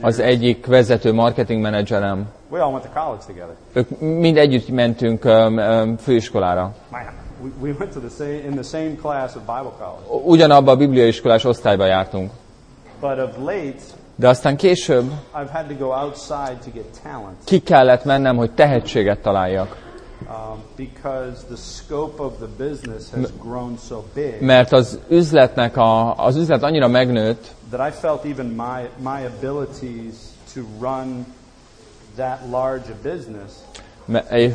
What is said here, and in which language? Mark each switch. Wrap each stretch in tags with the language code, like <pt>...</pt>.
<hu>Az egyik vezető marketing menedzserem.</hu> <en>We all went to college together.</en> <hu>Ők mind együtt mentünk főiskolára.</hu> <en>We went to the same in the same class of Bible college.</en> <hu>Ugyanabba a bibliaiskolás osztályba jártunk.</hu> <en>But of late.</en> <hu>De aztán később.</hu> <en>I've had to go outside to get talent.</en> <hu>Ki kellett mennem, hogy tehetséget találjak.</hu> <en>Because the scope of the business has grown so big.</en> <hu>Mert az üzletnek az üzlet annyira megnőtt.</hu> <en>That I felt even my abilities to run that large a business.</en>